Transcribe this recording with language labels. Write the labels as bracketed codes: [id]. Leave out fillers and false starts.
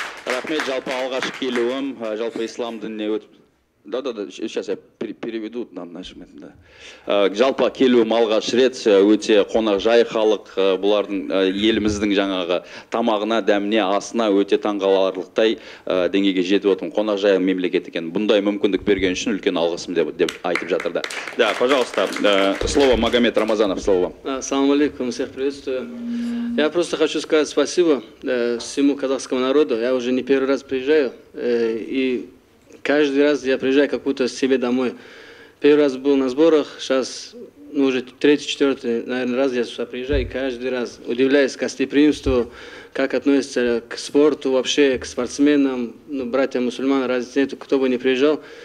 [kk] Рахмет жалпы алғаш келуім, жалпы ислам дініне өтіп... [ru] Да, сейчас я переведу на нашем этом, да. [kk] Жалпы келуім алғаш рет, өте қонақжай халық, бұлардың еліміздің жаңағы тамағына, дәміне, асына өте таңғаларлықтай деңгейге жетіп отырмын. Қонақжай мемлекет екен. Бұндай мүмкіндік берген үшін үлкен алғысым деп айтып жатыр, да. [ru] Да, пожалуйста, слово Магомед Рамазанов, слово. Ассаламу алейкум, всех приветствую. Я просто хочу сказать спасибо всему казахскому народу. Я уже не первый раз приезжаю, и каждый раз я приезжаю какую-то себе домой. Первый раз был на сборах, сейчас ну, уже третий, четвертый, наверное, раз я сюда приезжаю, и каждый раз удивляюсь гостеприимству, как относятся к спорту, вообще к спортсменам, ну, братья мусульмане, разницы нет, кто бы ни приезжал.